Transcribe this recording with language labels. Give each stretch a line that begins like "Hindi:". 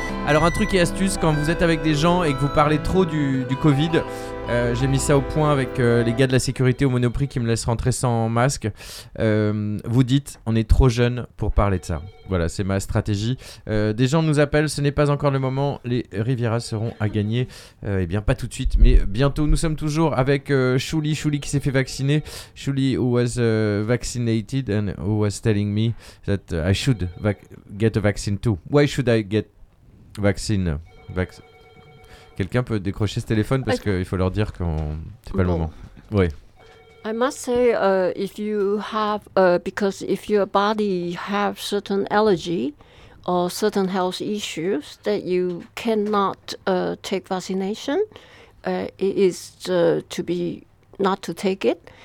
French: Alors un truc et astuce, quand vous êtes avec des gens et que vous parlez trop du Covid, j'ai mis ça au point avec les gars de la sécurité au Monoprix qui me laissent rentrer sans masque. Vous dites, on est trop jeune pour parler de ça. Voilà, c'est ma stratégie. Des gens nous appellent, ce n'est pas encore le moment. Les Riviera seront à gagner. Eh bien, pas tout de suite, mais bientôt. Nous sommes toujours avec Shuli qui s'est fait vacciner.
English: Shuli, who was vaccinated and who was telling me that I should get a vaccine too. Why should I get vaccine?
French: Quelqu'un peut décrocher ce téléphone parce qu'il faut leur dire que c'est pas le moment. Oui.
English: I must say, if you have, because if your body have certain allergy or certain health issues that you cannot take vaccination, it is to be not to take it.